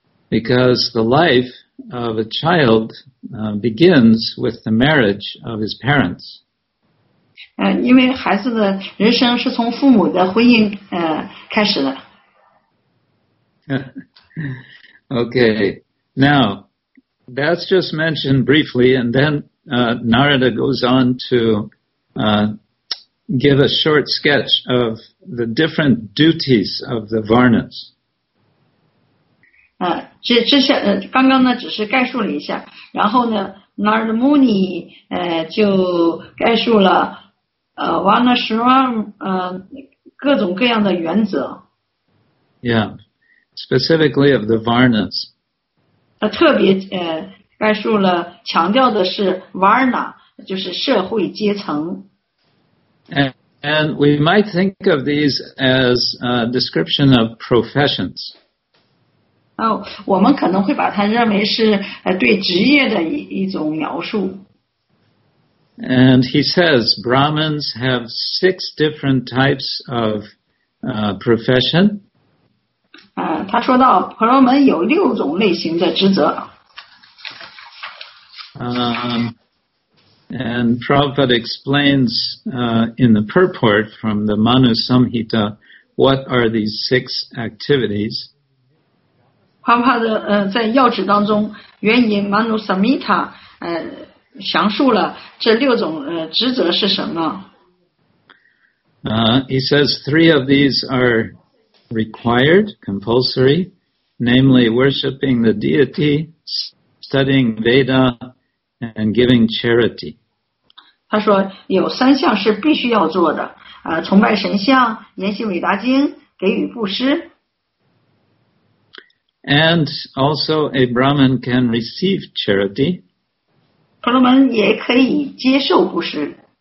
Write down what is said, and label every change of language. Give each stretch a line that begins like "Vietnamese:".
English: Because the life of a child begins with the marriage of his parents.
Chinese: 因为孩子的人生是从父母的婚姻开始的。
English: Okay, now that's just mentioned briefly, and then Narada goes on to give a short sketch of the different duties of the varnas.
Chinese: 这些刚刚呢只是概述了一下，然后呢 Narada Muni 就概述了Varnashram 各种各样的原则。
English: Yeah. Specifically of the varnas.
Chinese: 他特别概述了，强调的是 varna, 就是社会阶层。
English: And we might think of these as a description of professions.
Chinese: 我们可能会把它认为是对职业的一种描述。
English: And he says Brahmins have six different types of profession.
Chinese: 他说到婆罗门有六种类型的职责。
English: And Prabhupada explains in the purport from the Manu Samhita what are these six activities.
Chinese: Prabhupada 在要旨当中援引 Manu Samhita 详述了这六种职责是什么。
English: He says three of these are required, compulsory, namely worshipping the deity, studying Veda, and giving charity.
Chinese: 他说有三项是必须要做的，崇拜神像，研习韦达经，给予布施。
English: And also a Brahmin can receive charity.
Chinese: 婆罗门也可以接受布施。